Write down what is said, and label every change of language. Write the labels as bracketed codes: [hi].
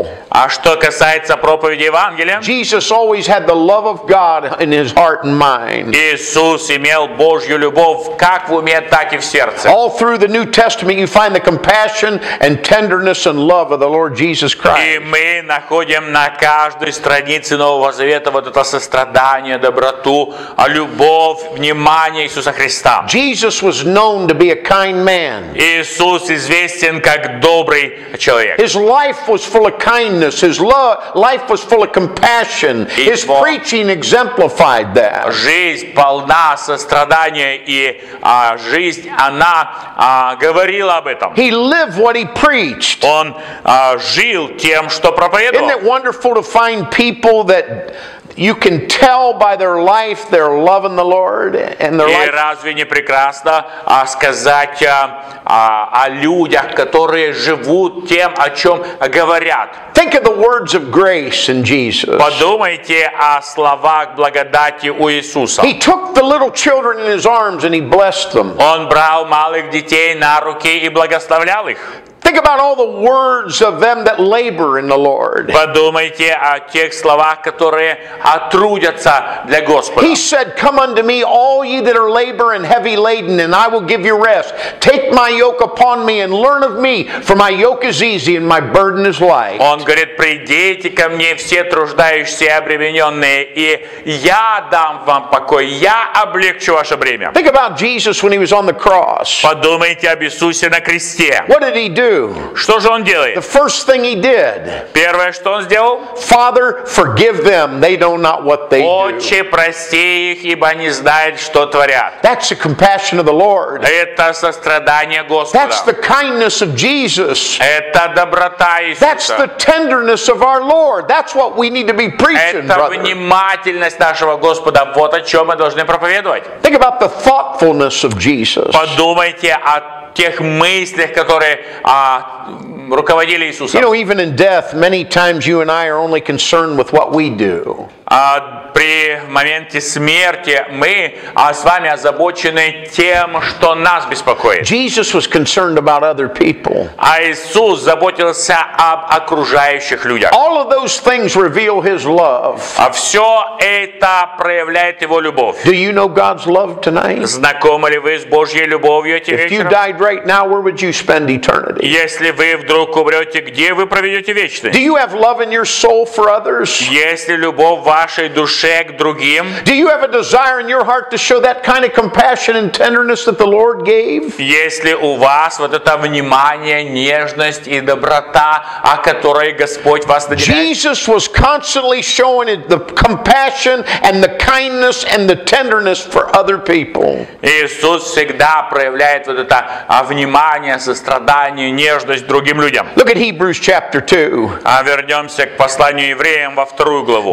[ru] А что касается проповеди Евангелия, Иисус имел Божью любовь как в уме, так и в сердце. [en] All through the New Testament you find the compassion and tenderness and love of the Lord Jesus Christ. [ru] И мы находим на каждой странице Нового Завета вот это сострадание, доброту, любовь, внимание Иисуса Христа. [en] Jesus was known to be a kind man. [ru] Иисус известен как добрый человек. [en] His life was full of kindness, his life was full of compassion. His preaching exemplified that. [ru] Жизнь полна сострадания и жизнь она говорила об этом. [en] He lived what he preached. [ru] Он жил тем, что проповедовал. [en] Isn't it wonderful to find people that you can tell by their life their love in the Lord and their life. [ru] И разве не прекрасно сказать о людях, которые живут тем, о чем говорят? [en] Think of the words of grace in Jesus. [ru] Подумайте о словах благодати у Иисуса. [en] He took the little children in his arms and he blessed them. [ru] Он брал малых детей на руки и благословлял их. [en] Think about all the words of them that labor in the Lord. [ru] Подумайте о тех словах, которые трудятся для Господа. [en] He said, "Come unto me, all ye that are labor and heavy laden, and I will give you rest. Take my yoke upon me and learn of me, for my yoke is easy and my burden is light." [ru] Он говорит: "Придите ко мне все труждающиеся и обремененные, и я дам вам покой. Я облегчу ваше бремя." [en] Think about Jesus when he was on the cross. [ru] Подумайте об Иисусе на кресте. [en] What did he do? [ru] Что же он делает? [en] The first thing he did. [ru] Первое, что он сделал? [en] Father, forgive them. They know not what they do. [ru] Отче, прости их, ибо они знают, что творят. [en] That's the compassion of the Lord. [ru] Это сострадание Господа. [en] That's the kindness of Jesus. [ru] Это доброта Иисуса. [en] That's the tenderness of our Lord. That's what we need to be preaching, brother. [ru] Это внимательность нашего Господа. Вот о чем мы должны проповедовать. [en] Think about the thoughtfulness of Jesus. [ru] Подумайте о тех мыслях, которые руководили Иисусом. [en] You know, even in death, many times you and I are only concerned with what we do. [ru] При моменте смерти мы с вами озабочены тем, что нас беспокоит. [en] Jesus was concerned about other people. [ru] А Иисус заботился об окружающих людях. [en] All of those things reveal his love. [ru] А все это проявляет его любовь. [en] Do you know God's love tonight? [ru] Знакомы ли вы с Божьей любовью эти вечером? [en] If you died right now, where would you spend eternity? [ru] Если вы вдруг умрете, где вы проведете вечность? [en] Do you have love in your soul for others? [ru] Есть ли любовь в вашей душе человек другим? [en] Do you have a desire in your heart to show that kind of compassion and tenderness that the Lord gave? [ru] Есть ли у вас вот это внимание, нежность и доброта, о которой Господь вас наделяет? [en] Jesus was constantly showing the compassion and the kindness and the tenderness for other people. [ru] Иисус всегда проявляет вот это внимание, сострадание, нежность другим людям. [en] Look at Hebrews chapter 2. [ru] А вернемся к посланию евреям во вторую главу.